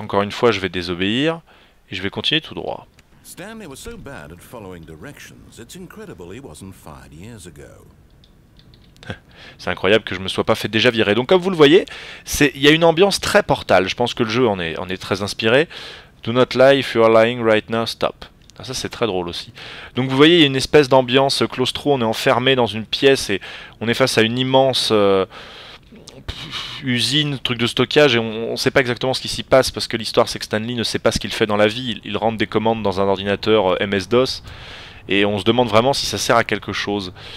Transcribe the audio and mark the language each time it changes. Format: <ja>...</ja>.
<fr>Encore une fois, je vais désobéir, et je vais continuer tout droit. Stanley était tellement</fr> <en>bad at following directions, it's incredible he wasn't fired years ago.</en> <fr>C'est incroyable que je me sois pas fait déjà virer. Donc comme vous le voyez, il y a une ambiance très portale. Je pense que le jeu en est très inspiré.</fr> <en>Do not lie if you are lying right now, stop.</en> <fr>Ah, ça c'est très drôle aussi. Donc vous voyez, il y a une espèce d'ambiance claustro. On est enfermé dans une pièce et on est face à une immense usine, truc de stockage. Et on sait pas exactement ce qui s'y passe, parce que l'histoire c'est que Stanley ne sait pas ce qu'il fait dans la vie. Il rentre des commandes dans un ordinateur MS-DOS, et on se demande vraiment si ça sert à quelque chose.</fr>